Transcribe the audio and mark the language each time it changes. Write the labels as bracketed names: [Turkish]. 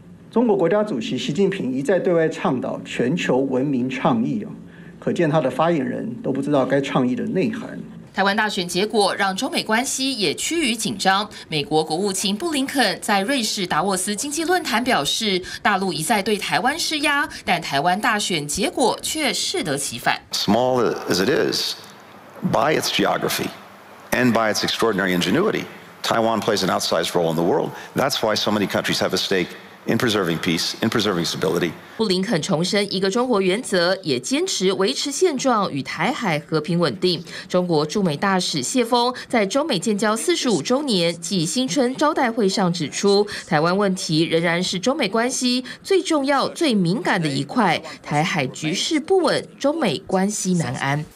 [Chinese] 中国国家主席习近平一再对外倡导全球文明倡议，可见他的发言人都不知道该倡议的内涵。台湾大选结果让中美关系也趋于紧张。美国国务卿布林肯在瑞士达沃斯经济论坛表示，大陆一再对台湾施压，但台湾大选结果却适得其反。 [English] Small as it is, by its geography and by its extraordinary ingenuity, Taiwan plays an outsized role in the world. That's why so many countries have a stake. In preserving peace, in preserving stability. [Chinese] 布林肯重申一个中国原则，也坚持维持现状与台海和平稳定。中国驻美大使谢峰在中美建交45周年暨新春招待会上指出，台湾问题仍然是中美关系最重要、最敏感的一块。台海局势不稳，中美关系难安。